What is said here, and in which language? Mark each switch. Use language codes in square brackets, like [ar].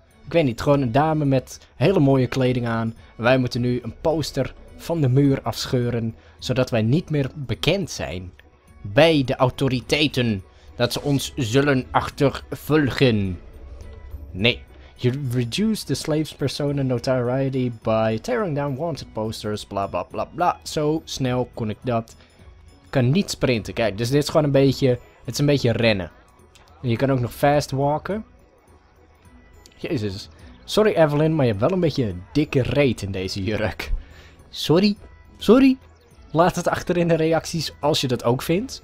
[nl] Ik weet niet, gewoon een dame met hele mooie kleding aan. Wij moeten nu een poster van de muur afscheuren, zodat wij niet meer bekend zijn bij de autoriteiten. Dat ze ons zullen achtervolgen. Nee. [en] You reduce the slave's persona notoriety by tearing down wanted posters. [nl] Bla bla bla bla. Zo snel kon ik dat. Ik kan niet sprinten. Kijk, dus dit is gewoon een beetje. Het is een beetje rennen. En je kan ook nog fast walken. Jezus. Sorry Evelyn, maar je hebt wel een beetje een dikke reet in deze jurk. Sorry. Sorry. Laat het achter in de reacties als je dat ook vindt.